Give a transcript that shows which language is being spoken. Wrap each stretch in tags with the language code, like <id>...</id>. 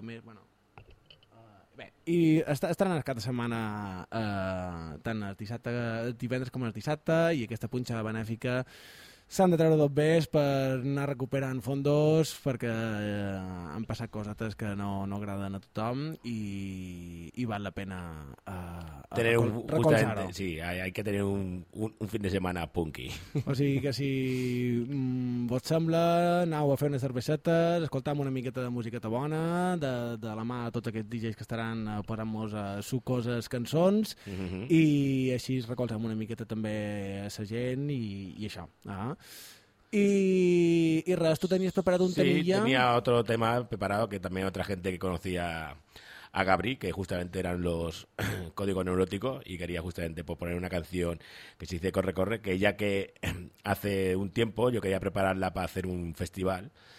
<ca>Bueno, i estaran cada setmana tant el dissabte, el divendres com el dissabte, i aquesta punxada benèfica s'han de treure dos bes per anar recuperant fondos perquè han passat coses que no agraden a tothom i val la pena recolzar-ho.</ca> <es>Sí, hay que tener un fin de semana punky.</es> <ca>O sigui que si vos sembla, anau a fer unes cervesetes, escoltam una miqueta de musiqueta bona, de la mà de tots aquests DJs que estaran posant-nos sucoses cançons, mm-hmm. I així recolzam una miqueta també a sa gent i això. Ah.</ca> <es>Y Ras, tú tenías preparado un temilla. Sí, temilla. Tenía otro tema preparado que también otra gente que conocía a Gabri, que justamente eran los Código Neurótico, y quería justamente pues, poner una canción que se dice Corre Corre, que ya que hace un tiempo yo quería prepararla para hacer un festival</es>